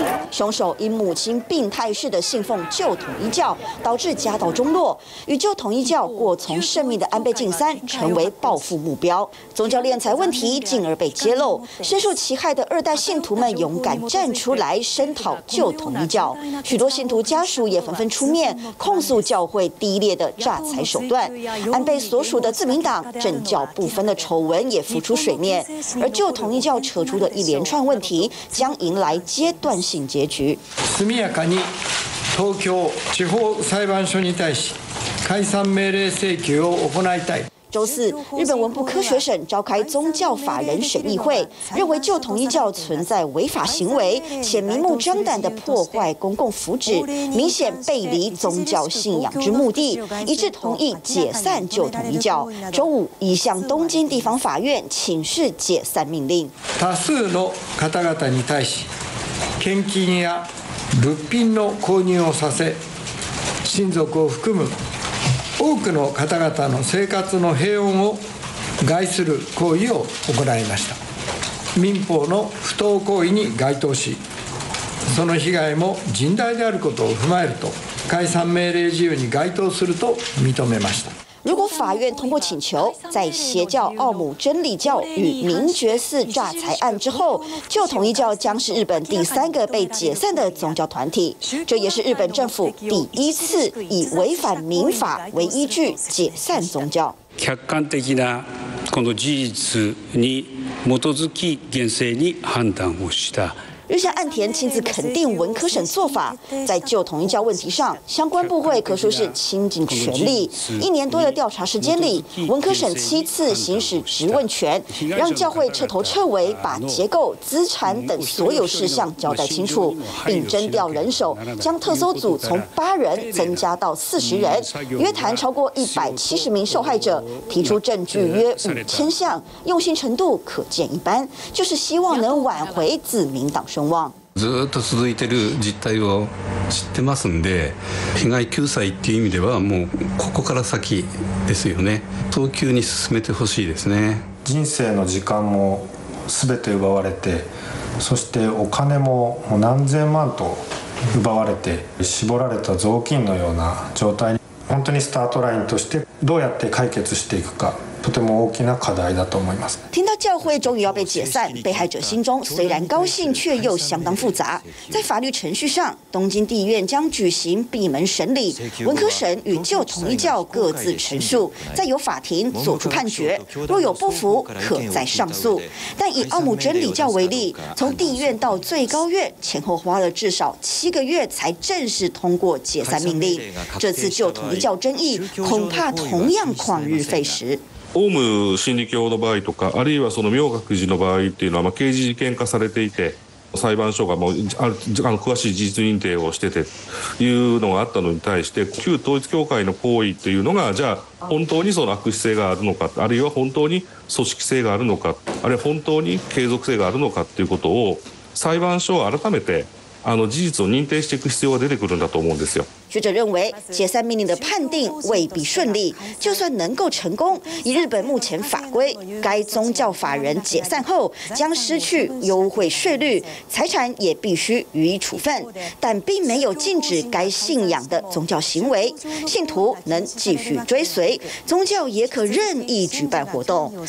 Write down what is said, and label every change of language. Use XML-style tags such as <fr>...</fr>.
<zh>凶手因母亲病态式的信奉旧统一教，导致家道中落，与旧统一教过从甚密的安倍晋三成为报复目标，宗教敛财问题进而被揭露，深受其害的二代信徒们勇敢站出来声讨旧统一教，许多信徒家属也纷纷出面控诉教会低劣的诈财手段，安倍所属的自民党政教不分的丑闻也浮出水面，而旧统一教扯出的一连串问题将迎来阶段性结局。</zh> <ja>速やかに東京地方裁判所に対し解散命令請求を行いたい。</ja> <zh>周四，日本文部科学省召开宗教法人审议会，认为旧统一教存在违法行为，且明目张胆的破坏公共福祉，明显背离宗教信仰之目的，一致同意解散旧统一教。周五已向东京地方法院请示解散命令。</zh> <ja>多数の方々に対し。献金や物品の購入をさせ、親族を含む多くの方々の生活の平穏を害する行為を行いました。民法の不当行為に該当し、その被害も甚大であることを踏まえると、解散命令事由に該当すると認めました。</ja> <zh>如果法院通过请求，在邪教奥姆真理教与明觉寺诈财案之后，旧统一教将是日本第三个被解散的宗教团体，这也是日本政府第一次以违反民法为依据解散宗教。</zh> <ja>客観的なこの事実に基づき厳正に判断をした。</ja> <zh>日向岸田亲自肯定文科省做法，在旧统一教问题上，相关部会可说是倾尽全力。一年多的调查时间里，文科省七次行使质问权，让教会彻头彻尾把结构、资产等所有事项交代清楚，并征调人手，将特搜组从8人增加到40人，约谈超过170名受害者，提出证据约5000项，用心程度可见一斑，就是希望能挽回自民党。</zh> <ja>ずっと続いてる実態を知ってますんで、被害救済っていう意味ではもうここから先ですよね。早急に進めてほしいですね。人生の時間も全て奪われて、そしてお金も何千万と奪われて、絞られた雑巾のような状態に、本当にスタートラインとしてどうやって解決していくか。とても大きな課題だと思います。</ja> <zh>听到教会终于要被解散，被害者心中虽然高兴，却又相当复杂。在法律程序上，东京地院将举行闭门审理，文科神与旧统一教各自陈述，再由法庭作出判决。若有不服，可再上诉。但以奥姆真理教为例，从地院到最高院前后花了至少七个月才正式通过解散命令。这次旧统一教争议恐怕同样旷日费时。</zh> <ja>オウム真理教の場合とか、あるいはその明覚寺の場合っていうのは、まあ、刑事事件化されていて、裁判所がもうある詳しい事実認定をしてというのがあったのに対して、旧統一教会の行為というのが、じゃあ本当にその悪質性があるのか、あるいは本当に組織性があるのか、あるいは本当に継続性があるのかということを、裁判所は改めて事実を認定していく必要が出てくるんだと思うんですよ。</ja> <zh>学者认为，解散命令的判定未必顺利。就算能够成功，以日本目前法规，该宗教法人解散后将失去优惠税率，财产也必须予以处分。但并没有禁止该信仰的宗教行为，信徒能继续追随，宗教也可任意举办活动。</zh>